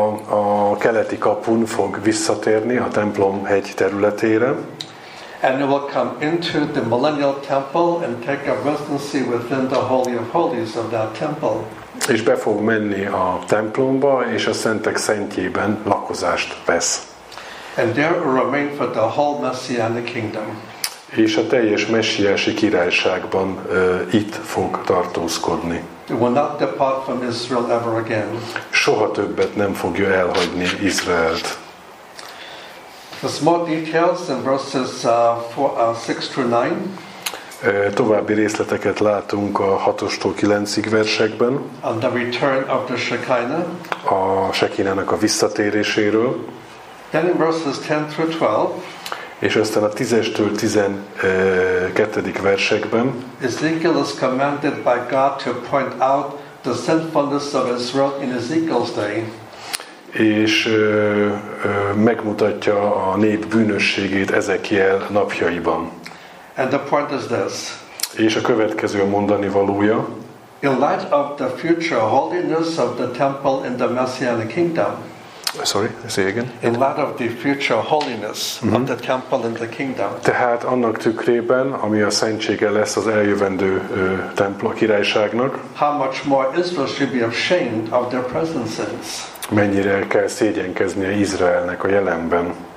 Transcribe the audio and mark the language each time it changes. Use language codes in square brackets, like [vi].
[hu] A keleti kapun fog visszatérni a templom hegy területére. [en] And it will come into the millennial temple and take a residency within the Holy of Holies of that temple. [hu] És be fog menni a templomba, és a szentek szentjében lakozást vesz. [en] And there will remain for the whole messianic kingdom. [hu] És a teljes messiási királyságban itt fog tartózkodni. [en] It will not depart from Israel ever again. [hu] Soha többet nem fogja elhagyni Izraelt. [en] There's more details in verses 6-9. [hu] További részleteket látunk a 6-tól 9-ig versekben. [en] On the return of the Shekinah. [hu] A Shekinának a visszatéréséről. [en] Then in verses 10-12. [hu] És aztán a 10-től 12-dik versekben. [en] Ezekiel is commanded by God to point out the sinfulness of Israel in Ezekiel's day. [hu] És megmutatja a nép bűnösségét Ezekiel napjaiban. [en] And the point is this. [hu] És a következő a mondani valója. [en] In light of the future holiness of the temple in the messianic kingdom. Sorry, say again. In light of the future holiness of the temple in the kingdom. [hu] Tehát annak tükrében, ami a szentsége lesz az eljövendő templom királyságnak. [en] How much more Israel should be ashamed of their present sins. [hu] Mennyire kell szégyenkeznie Izraelnek a jelenben.